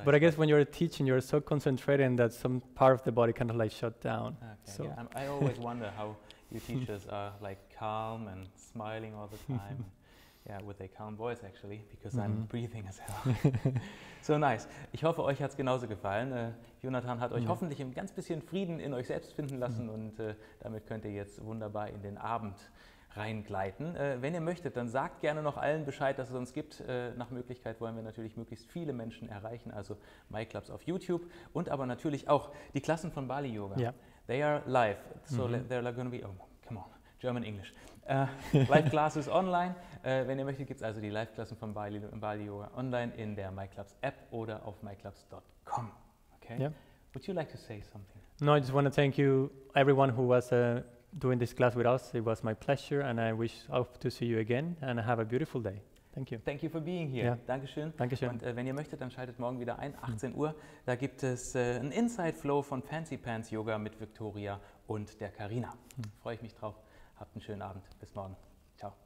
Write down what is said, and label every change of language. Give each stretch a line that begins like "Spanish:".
English: but I guess when you're teaching, you're so concentrated in that some part of the body kind of like shut down. Okay, so yeah. I always wonder how your teachers are like calm and smiling all the time. Yeah, with a calm voice actually, because I'm breathing as hell. So nice.
German: Ich hoffe, euch hat es genauso gefallen. Jonathan hat euch hoffentlich ein ganz bisschen Frieden in euch selbst finden lassen und damit könnt ihr jetzt wunderbar in den Abend reingleiten. Wenn ihr möchtet, dann sagt gerne noch allen Bescheid, dass es uns gibt. Nach Möglichkeit wollen wir natürlich möglichst viele Menschen erreichen, also myClubs auf YouTube und aber natürlich auch die Klassen von Bali Yoga.
English: Yeah. They are live, so they're going to be, oh, come on, German English. Live Classes online.
German: Wenn ihr möchtet, gibt es also die Live-Klassen von Bali Yoga online in der myClubs App oder auf myClubs.com.
English: Okay? Yeah. Would you like to say something? No, I just want to thank you, everyone who was doing this class with us. It was my pleasure and I wish hope to see you again and have a beautiful day. Thank you. Thank you for being here. Yeah.
German: Dankeschön. Dankeschön. Und wenn ihr möchtet, dann schaltet morgen wieder ein, 18 Uhr. Da gibt es einen Inside Flow von Fancy Pants Yoga mit Victoria und der Carina. Freue ich mich drauf. Habt einen schönen Abend. Bis morgen. Ciao.